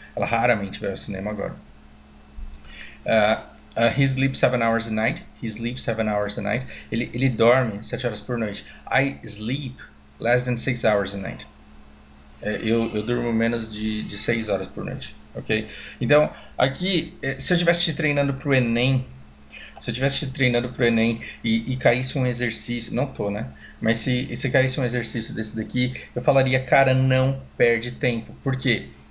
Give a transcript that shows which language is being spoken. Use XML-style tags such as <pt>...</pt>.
<pt>Ela raramente vai ao cinema agora.</pt> <en>He sleeps 7 hours a night. He sleeps 7 hours a night.</en> <pt>Ele dorme 7 horas por noite.</pt> <en>I sleep less than 6 hours a night.</en> <pt>Eu durmo menos de 6 horas por noite, ok? Então, aqui, se eu tivesse te treinando para o Enem, se eu tivesse te treinando para o Enem e caísse um exercício, não tô, né? Mas se caísse um exercício desse daqui, eu falaria, cara, não perde tempo. Por quê?</pt>